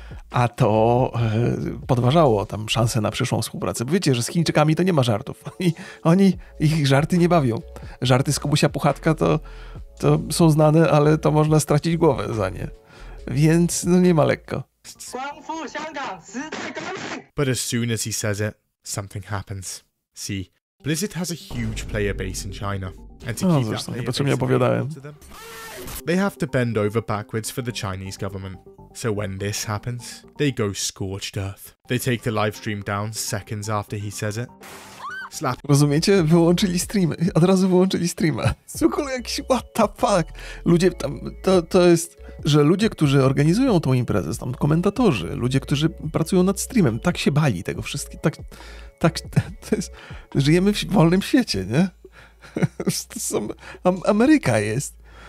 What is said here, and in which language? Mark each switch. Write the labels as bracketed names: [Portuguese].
[Polish] A to podważało tam szanse na przyszłą współpracę. Bo wiecie, że z Chińczykami to nie ma żartów. Oni ich żarty nie bawią. Żarty z Kubusia Puchatka to są znane, ale to można stracić głowę za nie. Więc no nie ma lekko. [English] But as soon as he says it, something happens. See, Blizzard has a huge player base in China. And to keep that player base, to them, they have to bend over backwards for the Chinese government. So when this happens, they go scorched earth. They take the live stream down seconds after he says it. Slap. [Polish] Rozumiecie? Wyłączyli streamy. Od razu wyłączyli streamy. Słuchaj, jakiś [English] what the fuck? [Polish] Ludzie tam, to jest, że ludzie, którzy organizują tą imprezę, tam komentatorzy, ludzie, którzy pracują nad streamem, tak się bali tego wszystkiego. Tak, to jest, żyjemy w wolnym świecie, nie? To są, Ameryka jest.